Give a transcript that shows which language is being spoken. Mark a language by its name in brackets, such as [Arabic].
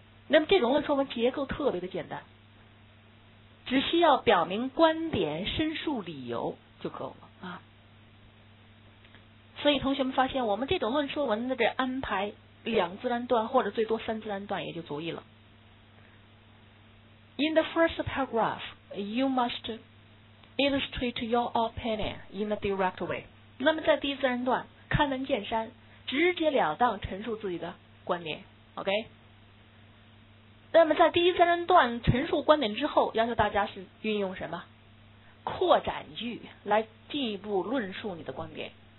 [Chinese] 那么这种论说文结构特别的简单，只需要表明观点、申述理由就够了啊。所以同学们发现，我们这种论说文的这安排两自然段或者最多三自然段也就足以了。 [English] In the first paragraph, you must illustrate your opinion in a direct way. [Chinese] 那么在第一自然段，开门见山，直截了当陈述自己的观点。 [English] OK? [Chinese] 那么在第一自然段陈述观点之后，要求大家是运用什么？扩展句来进一步论述你的观点。